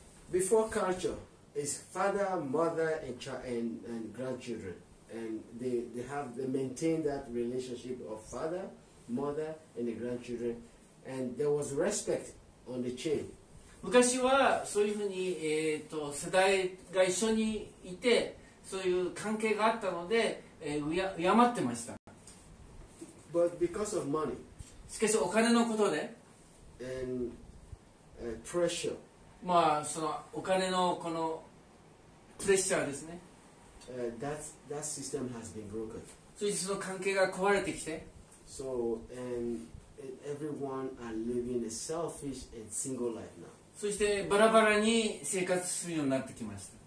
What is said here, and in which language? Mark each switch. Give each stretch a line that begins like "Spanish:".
English: Before culture is father, mother, and grandchildren, and they maintain that relationship of father. Mother and the grandchildren, and there was respect on the chain.
Japanese: 昔はそういうふうに世代が一緒にいてそういう関係があったので敬ってました。
English: But because of money,
Japanese: しかしお金のことで、
English: and pressure,
Japanese: まあそのお金のこのプレッシャーですね。
English: That system has been broken.
Japanese: そしてその関係が壊れてきて。
English: So, and everyone are living a selfish and single life now.
Japanese: そしてバラバラに生活するようになってきました。